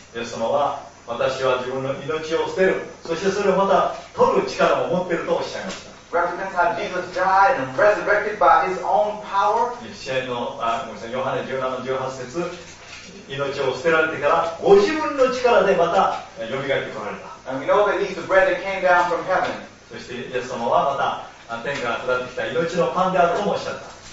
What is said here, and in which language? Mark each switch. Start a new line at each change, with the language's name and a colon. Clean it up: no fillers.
Japanese: イエス様は、私は自分の命を捨てる、そしてそれをまた取る力も持っているとおっしゃいました。
English: Represents how Jesus died and resurrected by His own power.
Japanese: ヨハネ17の18節、命を捨てられてからご自分の力でまた蘇ってこられた。
English: And we know that He's the bread that came down from heaven.
Japanese: そしてイエス様はまた天から下ってきた命のパンであるともおっしゃった。